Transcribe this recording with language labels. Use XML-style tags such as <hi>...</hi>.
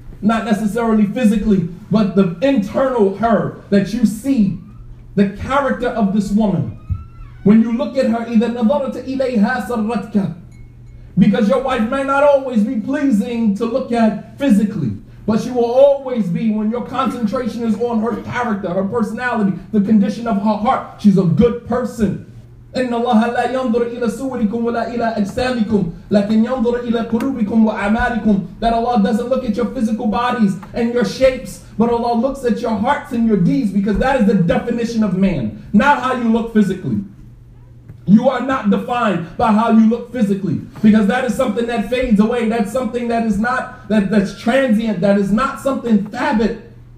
<en>Not necessarily physically, but the internal her that you see, the character of this woman. When you look at her,</en> <ar>إِذَا نَظَرْتَ إِلَيْهَا سَرَّتْكَ.</ar> <en>Because your wife may not always be pleasing to look at physically, but she will always be, when your concentration is on her character, her personality, the condition of her heart, she's a good person.</en> <ar>إن الله لا ينظر إلى صوركم ولا إلى أجسامكم لكن ينظر إلى قلوبكم وأعمالكم.</ar> <en>That Allah doesn't look at your physical bodies and your shapes, but Allah looks at your hearts and your deeds, because that is the definition of man, not how you look physically. You are not defined by how you look physically, because that is something that fades away. That's something that is not, that's transient, that is not something thabit.</en>